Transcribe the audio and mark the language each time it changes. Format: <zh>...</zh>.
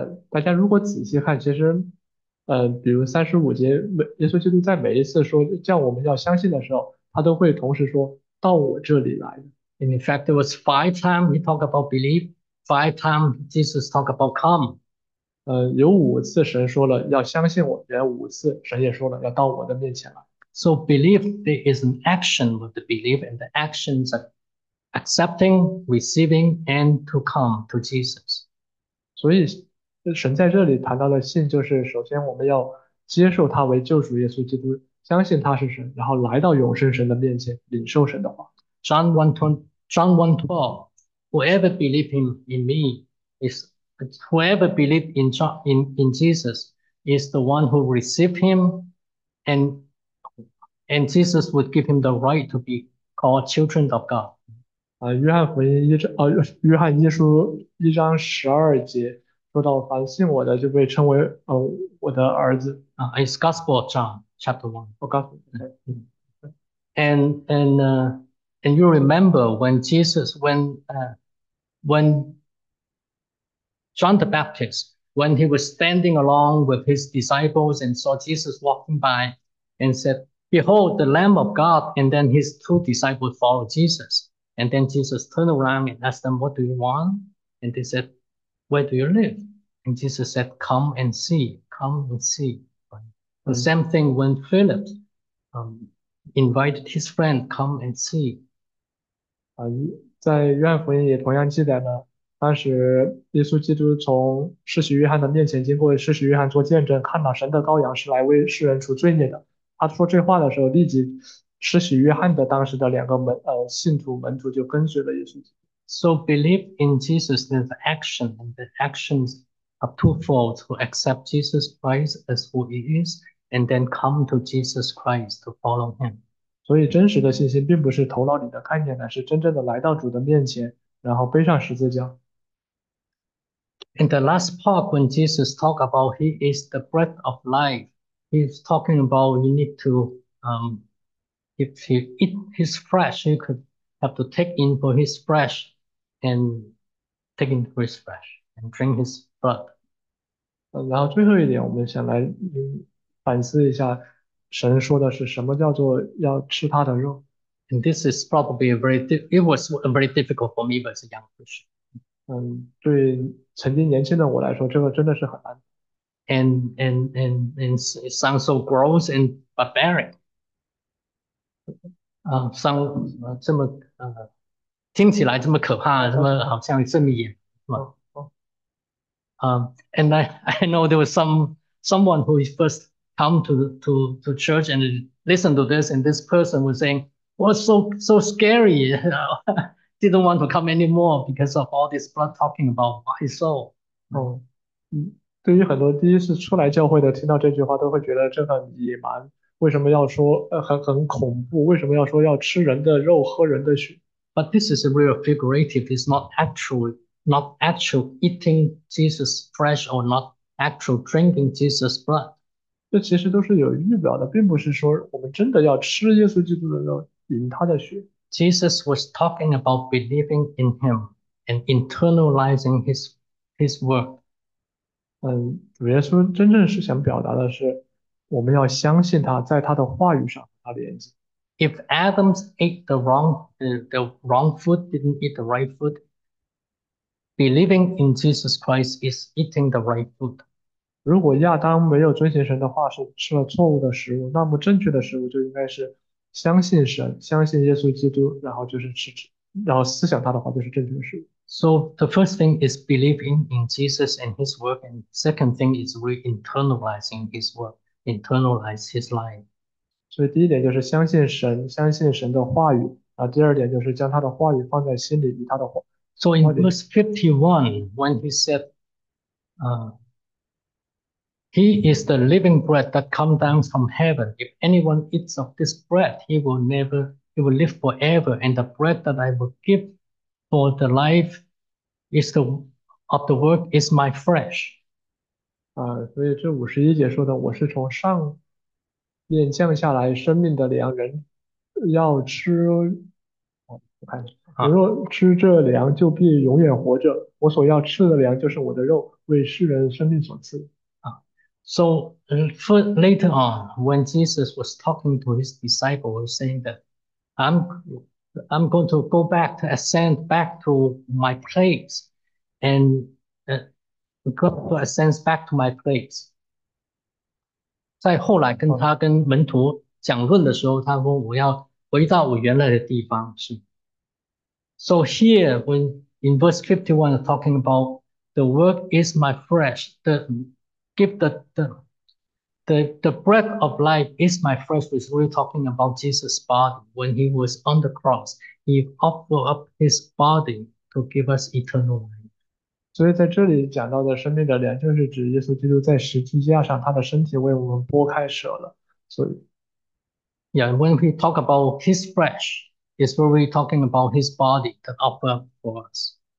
<zh>大家如果仔细看，其实，比如35节，耶稣基督在每一次说叫我们要相信的时候。他都会同时说到我这里来的。</zh> <en>And in fact, there was 5 times he talk about belief, 5 times Jesus talk about come.</en> <zh>有5次神说了要相信我，也5次神也说了要到我的面前来。</zh> <en>So belief, there is an action with the belief, and the actions are accepting, receiving, and to come to Jesus.</en> <zh>所以神在这里谈到的信，就是首先我们要接受他为救主耶稣基督。相信他是神，然后来到永生神的面前，领受神的话。</zh> <en>John 1:12, whoever believe in me is whoever believe in John in Jesus is the one who received him and Jesus would give him the right to be called children of God.</en> <zh>约翰福音一章，约翰一书1:12，说到凡信我的就被称为我的儿子。</zh> <en>It's Gospel John, chapter one.</en> <zh>我告诉你。</zh> <en>And you remember when John the Baptist, when he was standing along with his disciples and saw Jesus walking by and said, "Behold, the Lamb of God." And then his two disciples followed Jesus. And then Jesus turned around and asked them, "What do you want?" And they said, "Where do you live?" And Jesus said, "Come and see, come and see." The same thing when Philip invited his friend, "Come and see."</en> <zh>在约翰福音也同样记载了，当时耶稣基督从施洗约翰的面前经过，施洗约翰做见证，看到神的羔羊是来为世人除罪孽的。他说这话的时候，立即施洗约翰的当时的两个信徒门徒就跟随了耶稣基督。</zh> <en>So belief in Jesus is action, and the actions are twofold: to accept Jesus Christ as who he is, and then come to Jesus Christ to follow him.</en> <zh>所以，真实的信心并不是头脑里的看见的，是真正的来到主的面前，然后背上十字架。</zh> <en>In the last part, when Jesus talk about he is the bread of life, he's talking about you need to if you eat his flesh, you could have to take in for his flesh. And taking for his flesh and drink his blood.</en> <zh>然后最后一点，我们想来反思一下。神说的是什么叫做要吃他的肉？</zh> <en>And this is probably a very it was a very difficult for me as a young Christian.</en> <zh>对曾经年轻的我来说，这个真的是很难。</zh> <en>And it sounds so gross and barbaric.</en> <zh>Sounds 这么听起来这么可怕，这么好像这么野，是吧？</zh> <en>And I know there was someone who first come to church and listen to this, and this person was saying, "Was so scary. Didn't want to come anymore because of all this blood talking about my soul."</en> <zh>对于很多第一次出来教会的，听到这句话都会觉得这很野蛮。为什么要说，很恐怖？为什么要说要吃人的肉，喝人的血？</zh> <en>But this is a real figurative. It's not actual eating Jesus' flesh or not actual drinking Jesus' blood.</en> <zh>这其实都是有预表的，并不是说我们真的要吃耶稣基督的肉，饮他的血。</zh> <en>Jesus was talking about believing in him and internalizing his work.</en> <zh>主耶稣真正是想表达的是，我们要相信他，在他的话语上和他连接。</zh> <en>If Adams ate the wrong food, didn't eat the right food, believing in Jesus Christ is eating the right food.</en> <zh>如果亚当没有遵循神的话，是吃了错误的食物，那么正确的食物就应该是相信神，相信耶稣基督，然后就是吃，然后思想他的话就是正确的食物。</zh> <en>So the first thing is believing in Jesus and his work, and second thing is re-internalizing his work, internalize his life.</en> <zh>所以第一点就是相信神，相信神的话语，然后第二点就是将他的话语放在心里，与他的</zh> <en>So</en> <zh>话</zh> <en>in</en> <zh>语。</zh> <en>verse 51, when he said, "He is the living bread that come down from heaven. If anyone eats of this bread, he will live forever. And the bread that I will give for the life is the of the world is my flesh."</en> <zh>所以这51节说的，我是从上面降下来生命的粮，人要吃，我看，若吃这粮，就必永远活着。我所要吃的粮就是我的肉，为世人生命所赐。</zh> <en>So for later on, when Jesus was talking to his disciples, saying that I'm going to go back to ascend back to my place, and go to ascend back to my place.</en> <zh>在后来跟他跟门徒讲论的时候，他说我要回到我原来的地方。是。</zh> <en>So here, when in verse 51, talking about the work is my flesh, Give the bread of life is my flesh. We're really talking about Jesus' body. When he was on the cross, he offered up his body to give us eternal life.</en> <zh>所以在这里讲到的生命的粮，就是指耶稣基督在十字架上，他的身体为我们剥开舍了。所以，</zh> <en>Yeah, when we talk about his flesh, it's really talking about his body that offered up for us.</en>